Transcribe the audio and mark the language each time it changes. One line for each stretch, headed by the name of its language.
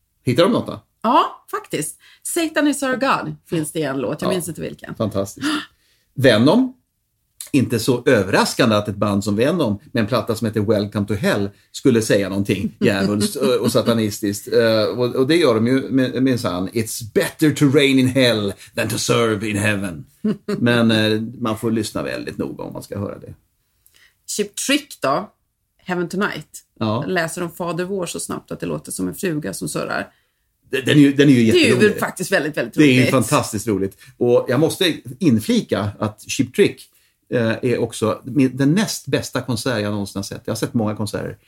Swedish: Hittar de något då? Ja, faktiskt.
English: Satan is our God
Swedish: finns det i en låt, jag minns inte vilken. Fantastiskt. Venom, inte så överraskande att ett band som Venom med en platta som heter Welcome to Hell skulle säga någonting jävligt och satanistiskt. Och det gör de ju minsann.
English: It's better to reign in hell than to serve in heaven.
Swedish: Men man får lyssna väldigt noga om man ska höra det. Chip Trick då, Heaven Tonight. Ja. Läser de Fader vår så snabbt att det låter som en fruga som surrar. Den är ju jätterolig. Det är ju faktiskt väldigt, väldigt roligt. Det är ju fantastiskt roligt. Och jag måste inflika att Cheap Trick är också den näst bästa konsert jag någonsin har sett. Jag har sett många konserter.